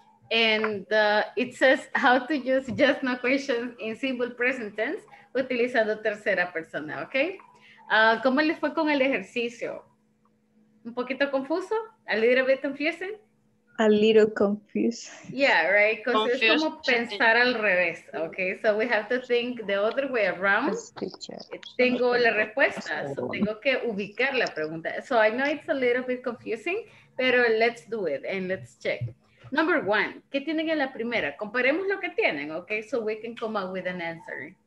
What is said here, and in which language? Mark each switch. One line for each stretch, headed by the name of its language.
English: And it says how to use just no questions in simple present tense utilizando tercera persona, okay?
Spanish: ¿Cómo les fue con el ejercicio? ¿Un poquito confuso?
English: A little bit confusing? A little confused. Yeah, right? Because it's
Spanish: como pensar al revés,
English: okay? So we have to think the other way around.
Spanish: Tengo la respuesta, so tengo que ubicar la pregunta.
English: So I know it's a little bit confusing, pero let's do it and let's check. Number one,
Spanish: ¿qué tienen en la primera? Comparemos lo que tienen, okay?
English: So we can come up with an answer.